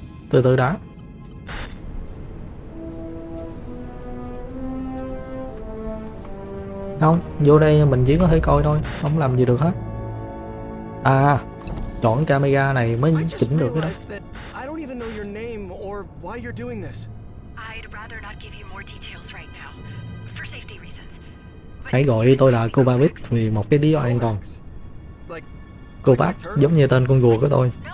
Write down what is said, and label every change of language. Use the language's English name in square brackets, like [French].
[Vietnamese] Từ từ đã. Không, vô đây mình chỉ có thể coi thôi, không làm gì được hết. À, chọn camera này mới chỉnh được cái đó. [English] I don't even know your name or why you're doing this. I'd rather not give you more details right now for safety reasons. [Vietnamese] Hãy gọi tôi là Kovacs vì một cái lý do an toàn. Kovacs giống như tên con rùa của tôi.